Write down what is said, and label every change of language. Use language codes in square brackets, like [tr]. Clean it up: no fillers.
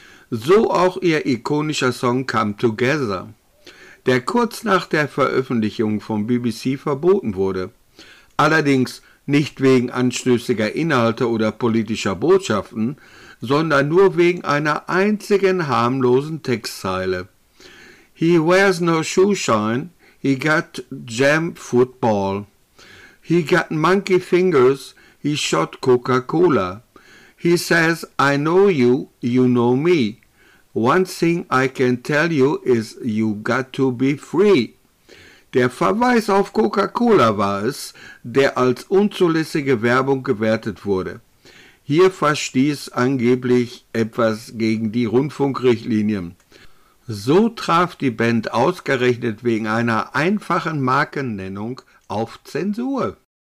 [de] So auch ihr ikonischer Song Come Together, der kurz nach der Veröffentlichung vom BBC verboten wurde. Allerdings nicht wegen anstößiger Inhalte oder politischer Botschaften, sondern nur wegen einer einzigen harmlosen Textzeile. [en] He wears no shoeshine, he got jam football. He got monkey fingers, he shot Coca-Cola. He says, I know you, you know me. One thing I can tell you is you got to be free. [de] Der Verweis auf Coca-Cola war es, der als unzulässige Werbung gewertet wurde. Hier verstieß angeblich etwas gegen die Rundfunkrichtlinien. So traf die Band ausgerechnet wegen einer einfachen Markennennung auf Zensur.